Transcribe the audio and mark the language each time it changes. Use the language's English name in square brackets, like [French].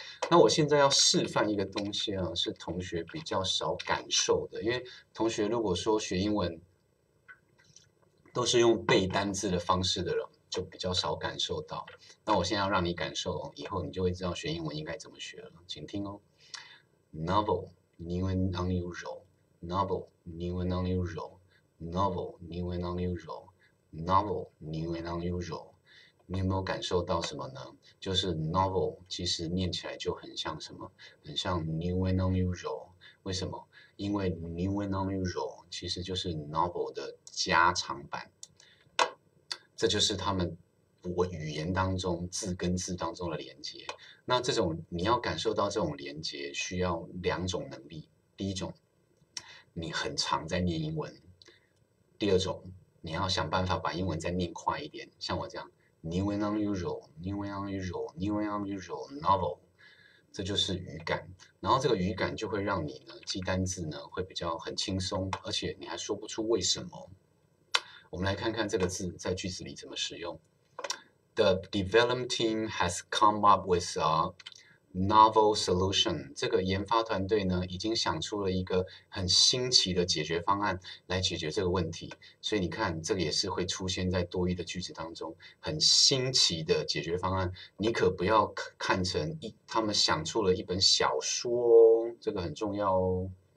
[Chinese] 那我现在要示范一个东西啊，是同学比较少感受的，因为同学如果说学英文都是用背单字的方式的人，就比较少感受到。那我现在要让你感受，以后你就会知道学英文应该怎么学了。请听哦， [English] novel。 New and unusual, novel, new and unusual, novel, new and unusual, novel, new and unusual。 [Chinese] 你有没有感受到什么呢？就是 novel 其实念起来就很像什么，很像 [English] new and unusual。 [Chinese] 为什么？因为 [English] new and unusual [Chinese] 其实就是 novel 的加长版。这就是他们我语言当中字跟字当中的连接。那这种你要感受到这种连接，需要两种能力。第一种，你很常在念英文；第二种，你要想办法把英文再念快一点。像我这样， [English] new and unusual, new and unusual, new and unusual, novel， [Chinese] 这就是语感。然后这个语感就会让你呢记单字呢会比较很轻松，而且你还说不出为什么。我们来看看这个字在句子里怎么使用。 [English] The development team has come up with a novel solution。 [Chinese] 这个研发团队呢，已经想出了一个很新奇的解决方案来解决这个问题。所以你看，这个也是会出现在多义的句子当中，很新奇的解决方案。你可不要看成他们想出了一本小说哦，这个很重要哦。